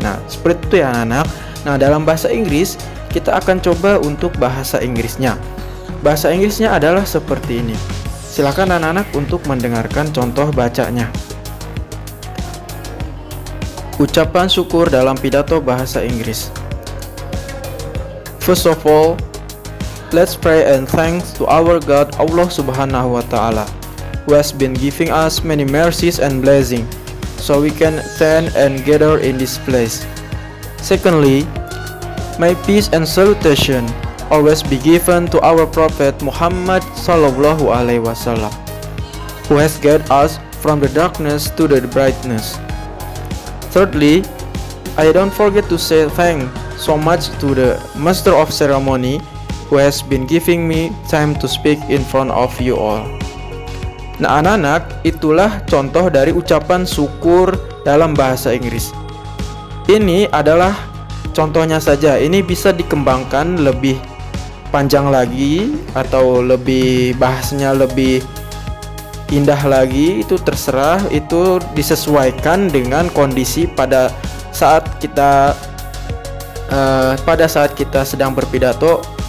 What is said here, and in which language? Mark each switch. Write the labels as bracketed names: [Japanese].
[Indonesian] Nah, seperti itu ya anak-anak. Nah, dalam bahasa Inggris kita akan coba untuk bahasa Inggrisnya. Bahasa Inggrisnya adalah seperti ini. Silakan anak-anak untuk mendengarkan contoh bacanya. Ucapan syukur dalam pidato bahasa Inggris. [English] First of all, let's pray and thanks to our God, Allah Subhanahu wa Ta'ala, who has been giving us many mercies and blessings, so we can stand and gather in this place. Secondly, may peace and salutation always be given to our Prophet Muhammad Sallallahu Alaihi Wasallam, who has guided us from the darkness to the brightness. Thirdly, I don't forget to say thanks so much to the Master of Ceremony, who has been giving me time to speak in front of you all. [Indonesian] Nah anak-anak, itulah contoh dari ucapan syukur dalam bahasa Inggris. Ini adalah contohnya saja, ini bisa dikembangkan lebih panjang lagi atau lebih bahasnya lebih indah lagi, itu terserah, itu disesuaikan dengan kondisi pada saat kita sedang berpidato.